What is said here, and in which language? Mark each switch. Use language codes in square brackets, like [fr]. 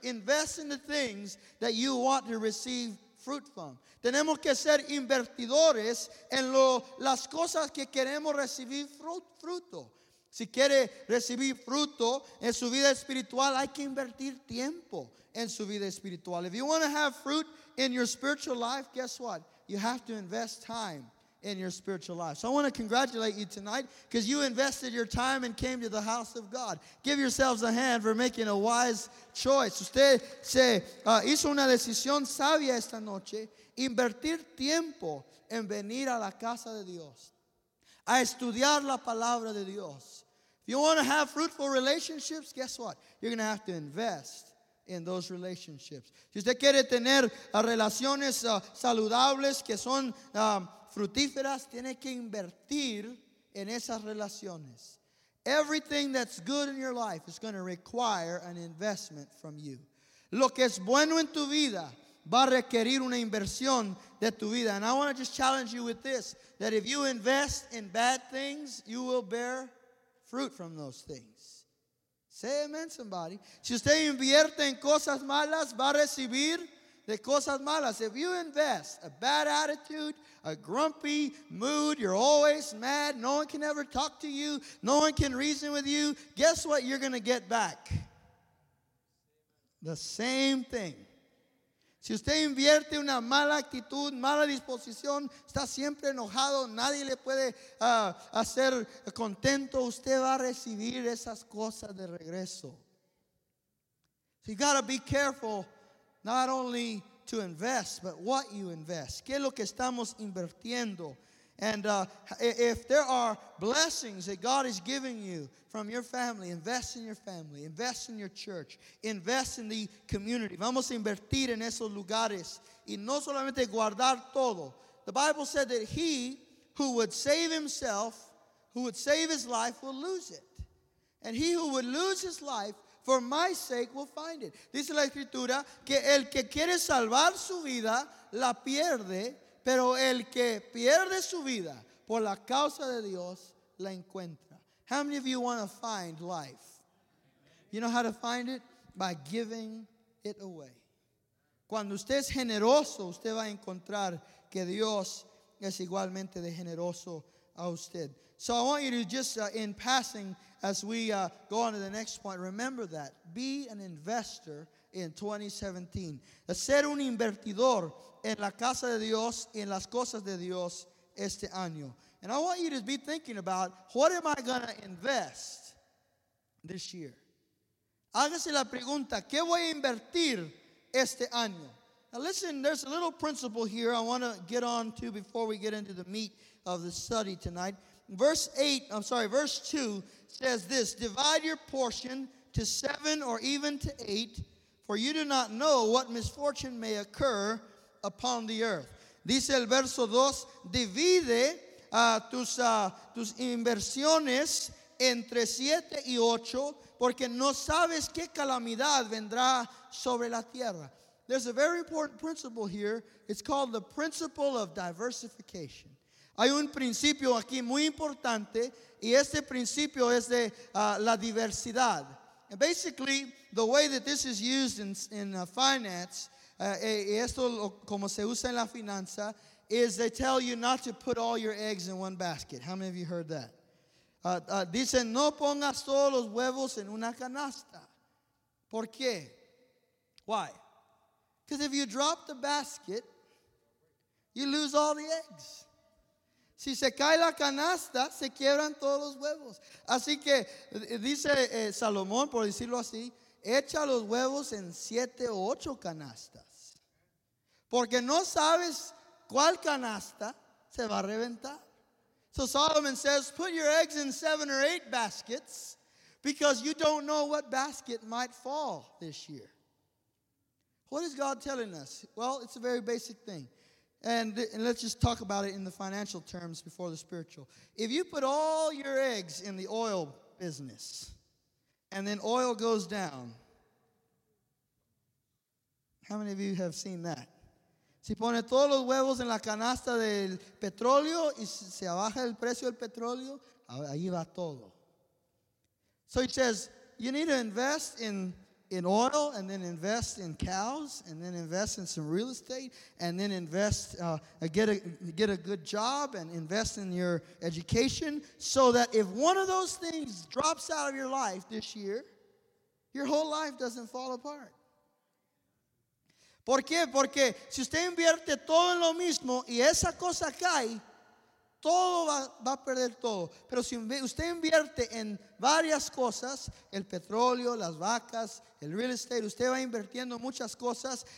[en] Invest in the things that you want to receive fruit from. [es] Tenemos que ser invertidores en las cosas que queremos recibir fruto. Si quiere recibir fruto en su vida espiritual, hay que invertir tiempo en su vida espiritual. [en] If you want to have fruit in your spiritual life, guess what? You have to invest time in your spiritual life. So I want to congratulate you tonight because you invested your time and came to the house of God. Give yourselves a hand for making a wise choice. [es] Usted se hizo una decisión sabia esta noche, invertir tiempo en venir a la casa de Dios, a estudiar la palabra de Dios. [en] If you want to have fruitful relationships, guess what? You're going to have to invest in those relationships. [es] Si usted quiere tener relaciones saludables que son frutíferas, tiene que invertir en esas relaciones. [en] Everything that's good in your life is going to require an investment from you. [es] Lo que es bueno en tu vida va a requerir una inversión de tu vida. [en] And I want to just challenge you with this, that if you invest in bad things, you will bear fruit from those things. Say amen, somebody. [es] Si usted invierte en cosas malas, va a recibir de cosas malas. [en] If you invest a bad attitude, a grumpy mood, you're always mad, no one can ever talk to you, no one can reason with you, guess what you're going to get back? The same thing. [es] Si usted invierte una mala actitud, mala disposición, está siempre enojado, nadie le puede hacer contento, usted va a recibir esas cosas de regreso. [en] So you got to be careful not only to invest, but what you invest. [es] ¿Qué es lo que estamos invirtiendo? [en] And if there are blessings that God is giving you from your family, invest in your family, invest in your church, invest in the community. [es] Vamos a invertir en esos lugares y no solamente guardar todo. [en] The Bible said that he who would save himself, who would save his life, will lose it. And he who would lose his life for my sake will find it. [es] Dice la Escritura que el que quiere salvar su vida la pierde, pero el que pierde su vida por la causa de Dios la encuentra. [en] How many of you want to find life? You know how to find it? By giving it away. [es] Cuando usted es generoso, usted va a encontrar que Dios es igualmente de generoso a usted. [en] So I want you to just, in passing, as we go on to the next point, remember that. Be an investor in 2017. [es] Ser un invertidor en la casa de Dios, en las cosas de Dios este año. [en] And I want you to be thinking about, what am I going to invest this year? [es] Hágase la pregunta, ¿qué voy a invertir este año? [en] Now listen, there's a little principle here I want to get on to before we get into the meat of the study tonight. Verse 2 says this, divide your portion to 7 or even to 8, for you do not know what misfortune may occur upon the earth. [es] Dice el verso 2, divide tus inversiones entre 7 y 8, porque no sabes qué calamidad vendrá sobre la tierra. [en] There's a very important principle here. It's called the principle of diversification. [es] Hay un principio aquí muy importante, y este principio es de la diversidad. [en] And basically, the way that this is used in finance, [es] esto como se usa en la finanza, [en] is they tell you not to put all your eggs in one basket. How many of you heard that? [es] Dicen, no pongas todos los huevos en una canasta. ¿Por qué? [en] Why? Because if you drop the basket, you lose all the eggs. [es] Si se cae la canasta, se quiebran todos los huevos. Así que dice Salomón, por decirlo así, echa los huevos en 7 o 8 canastas. Porque no sabes cuál canasta se va a reventar. [en] So Solomon says, put your eggs in 7 or 8 baskets because you don't know what basket might fall this year. What is God telling us? Well, it's a very basic thing. And let's just talk about it in the financial terms before the spiritual. If you put all your eggs in the oil business, and then oil goes down, how many of you have seen that? [es] Si pone todos los huevos en la canasta del petróleo y se baja el precio del petróleo, ahí va todo. [en] So he says, you need to invest in oil, and then invest in cows, and then invest in some real estate, and then invest, get a good job, and invest in your education, so that if one of those things drops out of your life this year, your whole life doesn't fall apart. [es] ¿Por qué? Porque si usted invierte todo en lo mismo y esa cosa cae, todo va a perder todo. Pero si usted invierte en varias cosas, el petróleo, las vacas, el real estate, usted va invirtiendo muchas cosas.